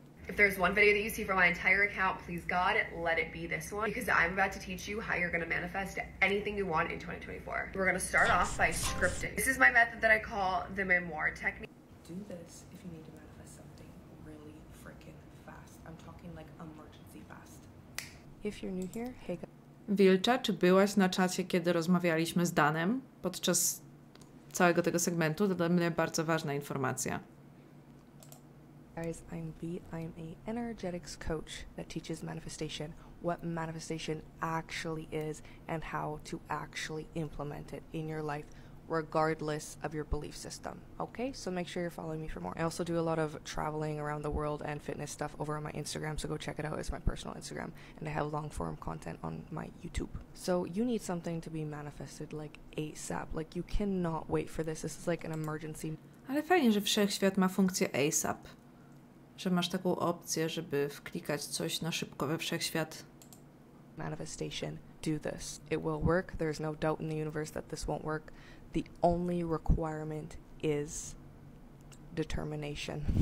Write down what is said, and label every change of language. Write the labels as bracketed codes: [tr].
[en] If there's one video that you see from my entire account, please God, let it be this one, because I'm about to teach you how you're going to manifest anything you want in 2024. We're going to start off by scripting. This is my method that I call the memoir technique. Do this if you need to manifest something really freaking fast. I'm talking like emergency fast. If you're new here, hey guys. [pl] Wilcza, czy byłaś na czacie, kiedy rozmawialiśmy z Danem podczas całego tego segmentu? To dla mnie bardzo ważna informacja. [en] Guys, I'm B. I'm a energetics coach that teaches manifestation, what manifestation actually is, and how to actually implement it in your life, regardless of your belief system. Okay, so make sure you're following me for more. I also do a lot of traveling around the world and fitness stuff over on my Instagram, so go check it out. It's my personal Instagram, and I have long-form content on my YouTube. So you need something to be manifested, like ASAP. Like, you cannot wait for this. This is like an emergency. [pl] Ale fajnie, że wszechświat ma funkcję ASAP. Że masz taką opcję, żeby wklikać coś na szybko we wszechświat. [en] Manifestation, do this. It will work. There's no doubt in the universe that this won't work. The only requirement is determination.